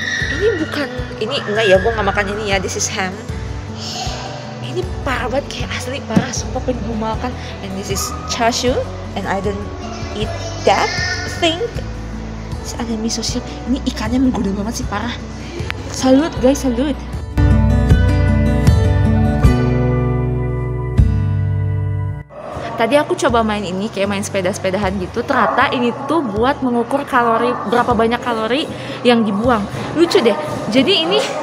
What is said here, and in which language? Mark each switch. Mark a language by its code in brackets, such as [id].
[id] Ini bukan, ini enggak ya, gue gak makan ini ya, [en] this is ham. [id] Ini parah banget, kayak asli parah, sumpah pengen gue makan. [en] And this is chashu, and I don't eat that thing. [id] Terus ada miso shrimp, ini ikannya menggoda banget sih, parah. Salut guys, salut. Tadi aku coba main ini, kayak main sepeda-sepedahan gitu. Ternyata ini tuh buat mengukur kalori, berapa banyak kalori yang dibuang. Lucu deh. Jadi ini